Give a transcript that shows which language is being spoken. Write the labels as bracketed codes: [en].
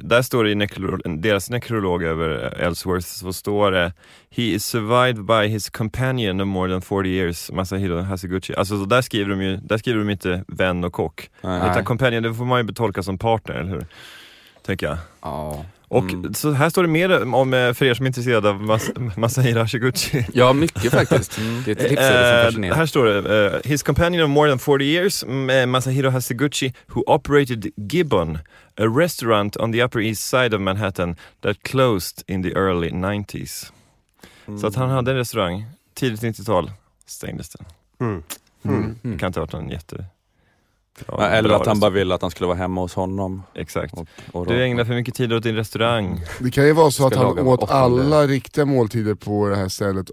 [sv] Där står det i deras nekrolog över Ellsworth, så står det: [en] he is survived by his companion of more than 40 years, Masahiro Hashiguchi. [sv] Alltså där skriver de ju, där skriver de inte vän och kock. Nej. Utan companion, det får man ju betolka som partner, eller hur? Tänker jag. Ja. Oh. Och så här står det mer om för er som är intresserade av Masahiro Hashiguchi. Ja, mycket faktiskt. Det är ett tips som här står det: [en] his companion of more than 40 years, Masahiro Hashiguchi, who operated Gibbon, a restaurant on the Upper East Side of Manhattan that closed in the early 90s. [sv] Mm. Så att han hade en restaurang tidigt 90-tal, stängdes den. Mm. Mm. Mm. Det kan inte ha varit någon jätte Ja, eller att han bara ville att han skulle vara hemma hos honom. Exakt. Och du ägnar för mycket tid åt din restaurang. Det kan ju vara så att han åt offende. Alla riktiga måltider på det här stället.